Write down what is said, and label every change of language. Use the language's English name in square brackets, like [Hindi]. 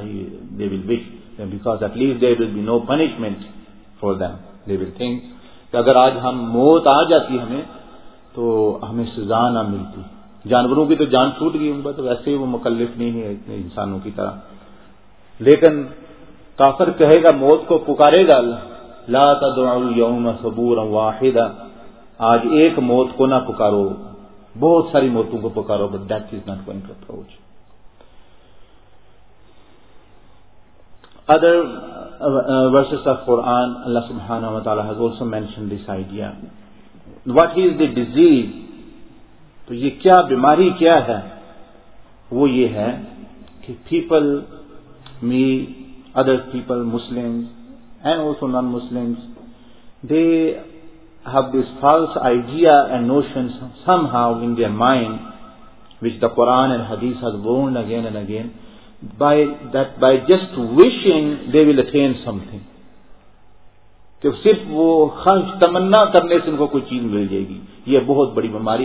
[English] They will wish, because at least there will be no punishment for them. They will think [Urdu] کہ اگر آج ہم موت آ جاتی ہمیں تو ہمیں سزا نہ ملتی. جانوروں کی تو جان چھوٹ گئی ان پر, تو ویسے وہ مکلف نہیں ہے اتنے انسانوں کی طرح. لیکن کافر کہے گا, موت کو پکارے گا, [Arabic] لا تدعوا اليوم ثبورا واحدا, [Urdu] آج ایک موت کو نہ پکارو, بہت ساری موتوں کو پکارو, [English] but that is not going to approach. Other verses of Quran, Allah subhanahu wa ta'ala has also mentioned this idea. What is the disease? [Urdu] تو یہ کیا بیماری کیا ہے, وہ یہ ہے کہ [English] people, me, other people, Muslims and also non-Muslims, they have this false idea and notions somehow in their mind, which the Quran and Hadith has warned again and again, by that, by just wishing they will attain something. [Urdu] کہ صرف وہ خواہش تمنا کرنے سے ان کو کوئی چیز مل جائے گی, یہ بہت بڑی بیماری.